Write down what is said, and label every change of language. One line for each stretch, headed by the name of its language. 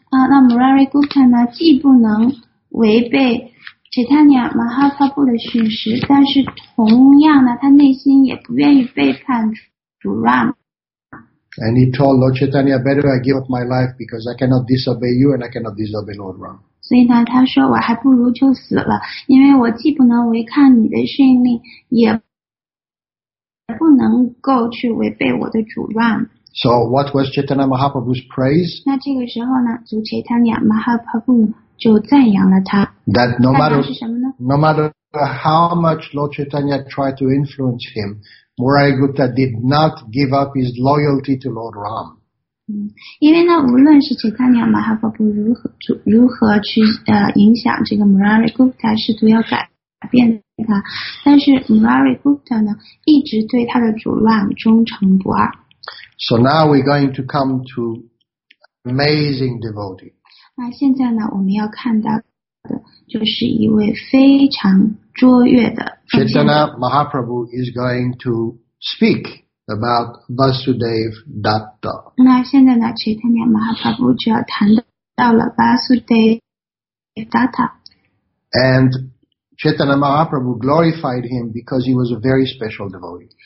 Chinese: 那 Murari Gupta 呢，既不能违背Chaitanya Mahaprabhu 的训示，但是同样呢，他内心也不愿意背叛主 Ram。
English: And he told Lord Chaitanya, "Better I give up my life because I cannot disobey you, and I cannot disobey Lord Ram."
Chinese: 所以呢，他说我还不如就死了，因为我既不能违抗你的训令，也不能够去违背我的主 Ram。
English: So what was Chaitanya Mahaprabhu's praise?
Chinese: 那这个时候呢，主 Chaitanya Mahaprabhu就赞扬了他。
English: That no matter how much Lord Chaitanya tried to influence him, Murari Gupta did not give up his loyalty to Lord Ram.
Chinese: 因为呢，无论是 Chaitanya Mahaprabhu 如何去影响这个 Murari Gupta， 试图要改变他，但是 Murari Gupta 呢，一直对他的主 Ram 忠诚不二。
English: So now we're going to come to amazing devotee.
Chinese: 那现在呢，我们要看到就是一位非常卓越的
English: Chaitanya Mahaprabhu is going to speak about Vasudev Datta.
Chinese: 那现在呢 Chaitanya Mahaprabhu 就要谈到了 Vasudev Datta.
English: And Chaitanya Mahaprabhu glorified him because he was a very special devotee.